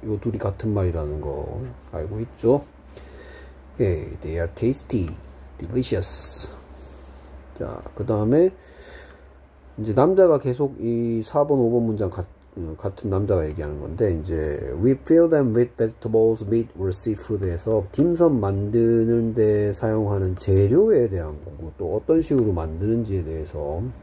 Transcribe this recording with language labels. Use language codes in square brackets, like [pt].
[ko] 요 둘이 같은 말이라는 거 알고 있죠? 예, [en] They are tasty, delicious. [ko] 자, 그 다음에 이제 남자가 계속 이 4번, 5번 문장 같은 남자가 얘기하는 건데 이제 [en] We fill them with vegetables, meat or seafood [ko] 에서 딤섬 만드는 데 사용하는 재료에 대한 거고 또 어떤 식으로 만드는지에 대해서